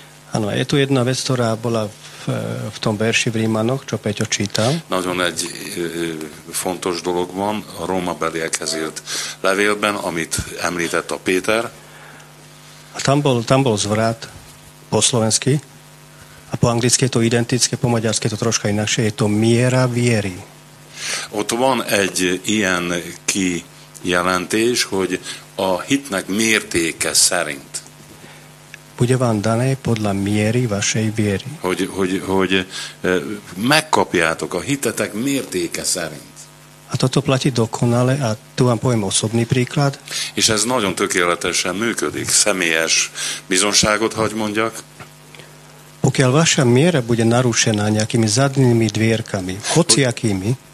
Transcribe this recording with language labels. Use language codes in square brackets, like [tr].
[sk] Áno, je tu jedna vec, ktorá bola v tom verši v Rímanoch, čo Peťo čítal. [hu] Nagyon egy fontos dolog van a Róma beliekhez írt levélben, amit említett a Péter. [sk] A tam bol zvrat po slovensky a po anglicky je to identické, po maďarsky je to troška inakšie, je to miera viery. [hu] Ott van egy ilyen kijelentés, hogy a hitnek mértéke szerint. [sk] Bude vám dané podľa miery vašej viery. [hu] Hogy megkapjátok a hitetek mértéke szerint. [sk] A toto platí dokonale a tu vám poviem osobný príklad. [hu] És ez nagyon tökéletesen működik, személyes bizonságot hagy mondjak. [sk] Pokiaľ vaša miera bude narušená nejakými zadnými dvierkami, hociakými.